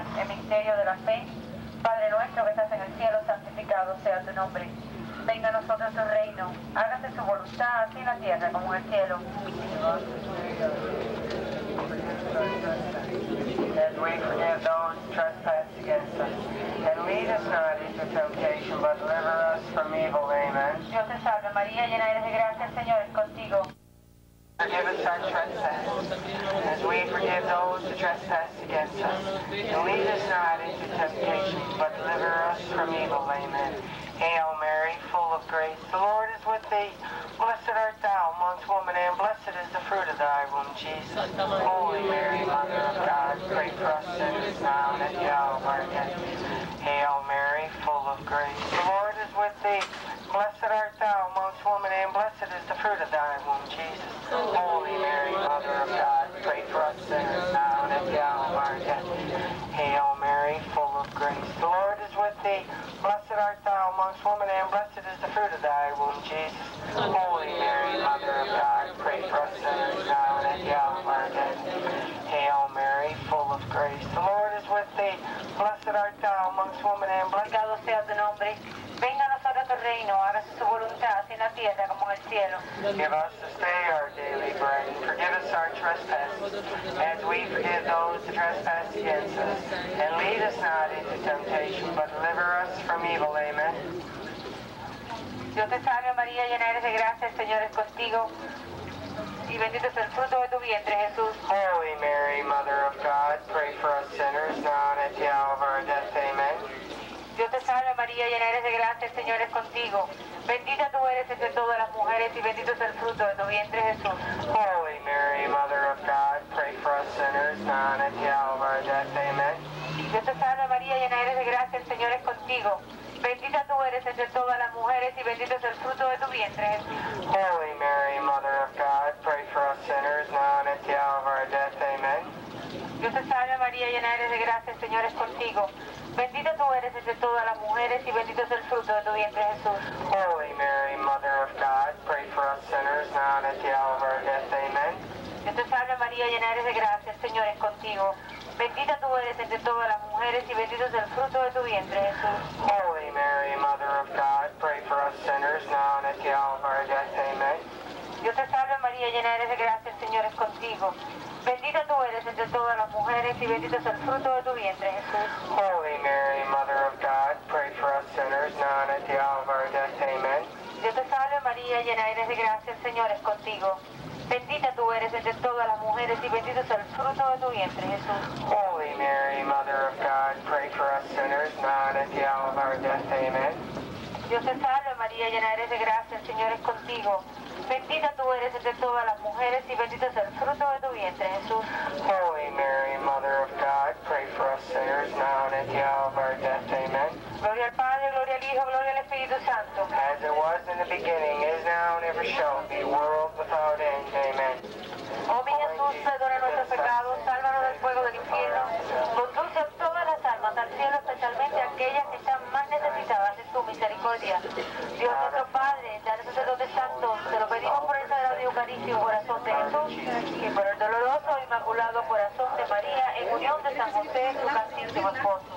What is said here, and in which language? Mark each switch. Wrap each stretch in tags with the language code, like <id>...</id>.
<es>De la fe, Padre nuestro que estás en el cielo, santificado sea tu nombre. Venga a nosotros tu reino, hágase tu voluntad así en la tierra como en el cielo.</es> <en>As we forgive those trespass against us, and lead us not into temptation, but deliver us from evil. Amen.</en> <es>Dios te salve María, llena eres de gracia, el Señor es contigo.</es> <en>Forgive us our trespasses, as we forgive those who trespass against us. And lead us not into temptation, but deliver us from evil. Amen. Hail Mary, full of thou, grace. The Lord is with thee. Blessed art thou amongst women, and blessed is the fruit of thy womb, Jesus. Holy Mary, Mother of God, pray for us sinners now and at the hour of our death. Hail Mary, full of grace. The Lord is with thee. Blessed art thou amongst women, and blessed is the fruit of thy womb, Jesus. Holy Mary, Mother of God, pray for us sinners now and at the hour of our death. Hail Mary, full of grace. The Lord is with thee. Blessed art thou amongst women, and blessed is the fruit of thy womb, Jesus. Holy Mary, Mother of God, pray for us sinners now and at the hour of our death. Hail Mary, full of grace. The Lord is with thee. Blessed art thou amongst women, and blessed is the fruit of thy womb, Jesus.</en> <es>Venga a nosotros tu reino, hágase su voluntad, así en la tierra como en el cielo.</es> <en>Give us this day our daily bread, and forgive us our trespasses, as we forgive those who trespass against us. And lead us not into temptation, but deliver us from evil. Amen.</en> <es>Dios te salve María, llena eres de gracia, el Señor es contigo. Y bendito es el fruto de tu vientre, Jesús.</es> <en>Holy Mary, Mother of God, pray for us sinners, now and at the hour of our death. Amen.</en> <es>Dios te salve María, llena eres de gracia, el Señor es contigo. Bendita tú eres entre todas las mujeres y bendito es el fruto de tu vientre, Jesús.</es> <en>Holy Mary, Mother of God, pray for us sinners, now and at the hour of our death. Amen.</en> <es>Dios te salve María, llena eres de gracia, el Señor es contigo. Bendita tú eres entre todas las mujeres y bendito es el fruto de tu vientre, Jesús.</es> <en>Holy Mary, Mother of God, pray for us sinners, now and at the hour of our death. Amen.</en> <es>Dios te salve María, llena eres de gracia, el Señor es contigo. Bendita tú eres entre todas las mujeres y bendito es el fruto de tu vientre, Jesús.</es> <en>Holy Mary, Mother of God, pray for us sinners now and at the hour of our death. Amen.</en> <es>Dios te salve María, llena eres de gracia, el Señor es contigo. Bendita tú eres entre todas las mujeres y bendito es el fruto de tu vientre, Jesús.</es> <en>Holy Mary, Mother of God, pray for us sinners now and at the hour of our death. Amen.</en> <es>Dios te salve María, llena eres de gracia, el Señor es contigo. Bendita tú eres entre todas las mujeres y bendito es el fruto de tu vientre, Jesús.</es> <en>Holy Mary, Mother of God, pray for us sinners now and at the hour of our death. Amen.</en> <es>Dios te salve María, llena eres de gracia, el Señor es contigo. Bendita tú eres entre todas las mujeres y bendito es el fruto de tu vientre, Jesús.</es> <en>Holy Mary, Mother of God, pray for us sinners now and at the hour of our death. Amen.</en> <es>Dios te salve María, llena eres de gracia, el Señor es contigo. Bendita tú eres entre todas las mujeres y bendito es el fruto de tu vientre, Jesús.</es> <en>Holy Mary, Mother of God, pray for us sinners now and at the hour of our death. Amen.</en> <es>Gloria al Padre, gloria al Hijo, gloria al Espíritu Santo.</es> <en>As it was in the beginning, is now, and ever shall be, world without end. Amen.</en> <es>Oh, mi Jesús, perdona nuestros pecados, sálvanos del fuego del infierno. Conduce todas las almas al cielo, especialmente aquellas que están más necesitadas de tu misericordia. Dios nuestro Padre, danos el don de santo, te lo pedimos por el sagrado y eucarístico corazón de Jesús y por el doloroso e inmaculado corazón de María en unión de San José, su castísimo esposo.</es>